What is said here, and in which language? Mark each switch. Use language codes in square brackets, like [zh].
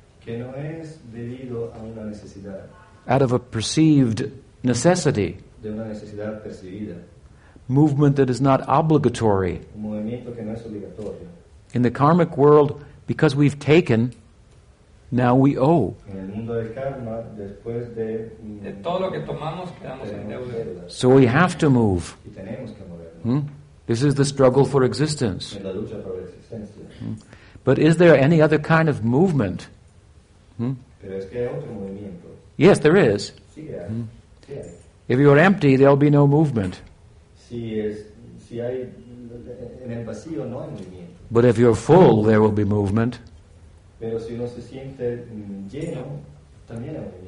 [es] Que no es debido a una necesidad. [en] Out of a perceived necessity. [es] De una necesidad percibida. [en] Movement that is not obligatory. [es] Un movimiento que no es obligatorio. [en] In the karmic world, because we've taken, now we owe. [es] En el mundo del karma, después de todo lo que tomamos, quedamos en deuda. [en] So we have to move. [es] Y tenemos que movernos. [en] This is the struggle for existence. [es] En la lucha por la existencia. [en] But is there any other kind of movement? [es] Pero es que hay otro movimiento. [en] Yes, there is. [es] Sí, hay. [en] If you are empty, there will be no movement. [es] Si hay en el vacío, no hay movimiento. [en] But if you're full, there will be movement. [es] Pero si uno se siente lleno, también hay movimiento.